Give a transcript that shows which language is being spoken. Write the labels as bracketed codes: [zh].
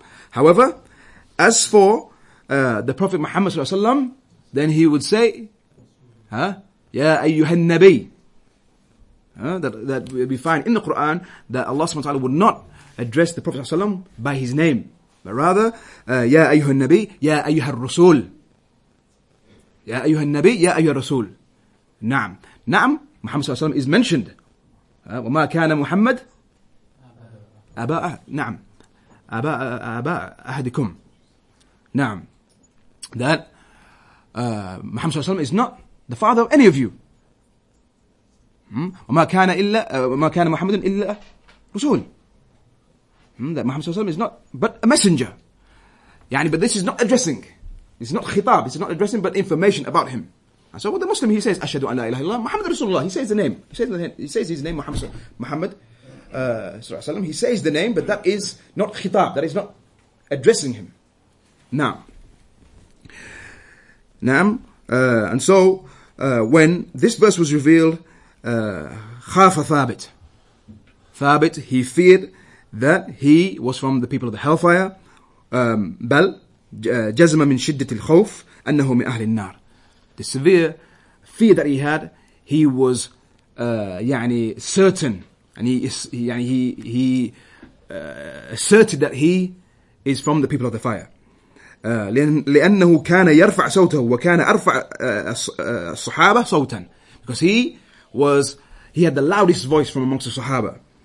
[en] However, as for the Prophet Muhammad sallallahu alaihi wasallam, then he would say, "Ya ayyuha nabi." That we find in the Quran that Allah subhanahu wa ta'ala would not address the Prophet sallallahu alaihi wasallam by his name, but rather, "Ya ayyuha nabi, ya ayyuha rasul, ya ayyuha nabi, ya ayyuha rasul." Naam, naam. Muhammad sallallahu alaihi wasallam is mentioned. [ar] وما كان محمد أباء نعم أباء أباء أحدكم نعم [en] that Muhammad صلى الله عليه وسلم is not the father of any of you. [ar] وما كان إلا وما كان محمد إلا رسول. [en] That Muhammad [ar] صلى الله عليه وسلم [en] is not but a messenger. But this is not addressing. It's not khitab. It's not addressing, but information about him. And so what the Muslim, he says [ar] أشهد أن لا إله إلا الله محمد رسول الله. [en] He says his name Muhammad. He says the name, but that is not khitab. That is not addressing him. Now, and so when this verse was revealed, [ar] خاف ثابت. [en] ثابت, he feared that he was from the people of the hellfire. [ar] بل جزم من شدة الخوف أنه من أهل النار. [en] The severe fear that he had, he was يعني certain, and he asserted that he is from the people of the fire. [ar] لأنه كان يرفع صوته وكان أرفع الصحابة صوتا, [en] because he had the loudest voice from amongst the Sahaba.